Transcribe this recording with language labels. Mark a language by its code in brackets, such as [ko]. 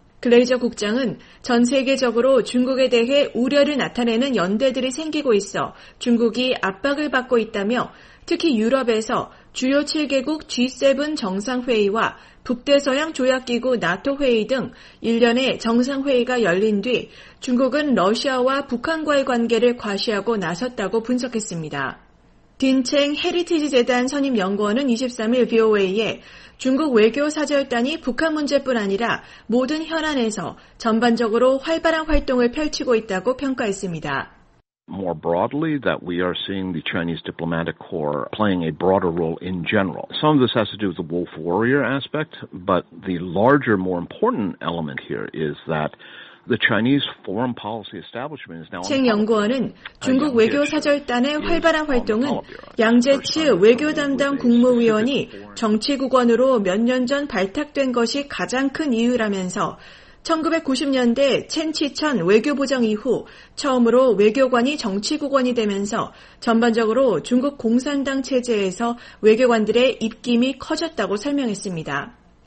[ko] 글레이저 국장은 전 세계적으로 중국에 대해 우려를 나타내는 연대들이 생기고 있어 중국이 압박을 받고 있다며 특히 유럽에서 주요 7개국 G7 정상회의와 북대서양 조약기구 나토 회의 등 일련의 정상회의가 열린 뒤 중국은 러시아와 북한과의 관계를 과시하고 나섰다고 분석했습니다. 딘첸 헤리티지 재단 선임 연구원은 23일 VOA에 중국 외교 사절단이 북한 문제뿐 아니라 모든 현안에서 전반적으로 활발한 활동을 펼치고 있다고 평가했습니다. [en] More broadly, that we are seeing the Chinese diplomatic corps playing a broader role in general. Some of this has to do with the wolf warrior aspect, but the larger, more important element here is that the Chinese foreign policy establishment is now. [ko] 챙 연구원은 중국 외교 사절단의 활발한 활동은 양제츠 외교 담당 국무위원이 정치국원으로 몇 년 전 발탁된 것이 가장 큰 이유라면서. 1990년대 첸치천 외교부장 이후 처음으로 외교관이 정치국원이 되면서 전반적으로 중국 공산당 체제에서 외교관들의 입김이 커졌다고 설명했습니다.